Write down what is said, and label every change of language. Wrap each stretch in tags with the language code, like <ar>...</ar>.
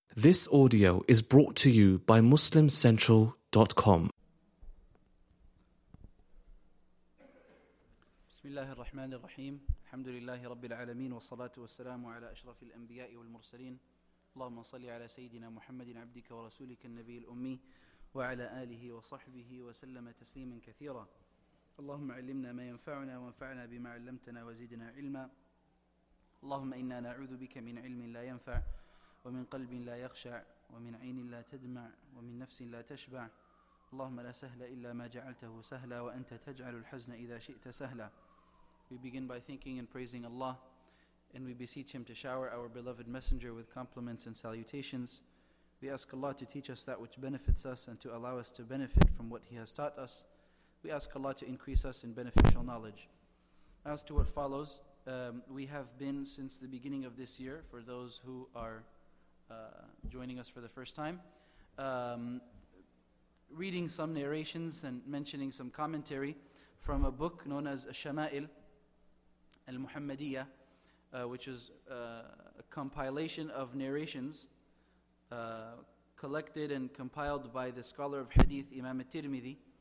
<en>This audio is brought to you by MuslimCentral.com.</en> <ar>بسم الله الرحمن الرحيم الحمد لله رب العالمين والصلاة والسلام على أشرف الأنبياء والمرسلين اللهم صل على سيدنا محمد عبدك ورسولك النبي الأمي وعلى آله وصحبه وسلم تسليما كثيرا اللهم علمنا ما ينفعنا وانفعنا بما علمتنا وزدنا علما اللهم إنا نعوذ بك من علم لا ينفع ومن قلب لا يخشع ومن عين لا تدمع ومن نفس لا تشبع اللهم لا سهل إلا ما جعلته سهلا وأنت تجعل الحزن إذا شئت سهلا.</ar> <en>We begin by thanking and praising Allah, and we beseech Him to shower our beloved messenger with compliments and salutations. We ask Allah to teach us that which benefits us and to allow us to benefit from what He has taught us. We ask Allah to increase us in beneficial knowledge. As to what follows, we have been since the beginning of this year, for those who are joining us for the first time, reading some narrations and mentioning some commentary from a book known as Shama'il al-Muhammadiyya, which is a compilation of narrations collected and compiled by the scholar of hadith Imam al-Tirmidhi.</en>